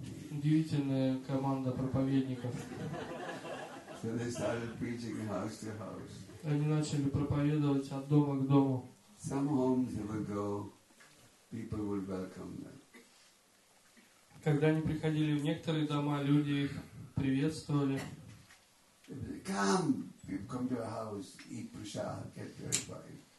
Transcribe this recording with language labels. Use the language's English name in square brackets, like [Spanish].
[Russian] Удивительная команда проповедников. [English] So they started preaching house to house. [Russian] Они начали проповедовать от дома к дому. [English] Some homes they would go, people would welcome them. [Russian] Когда они приходили в некоторые дома, люди их приветствовали. [English] Come, come to our house, eat prasad, get your advice.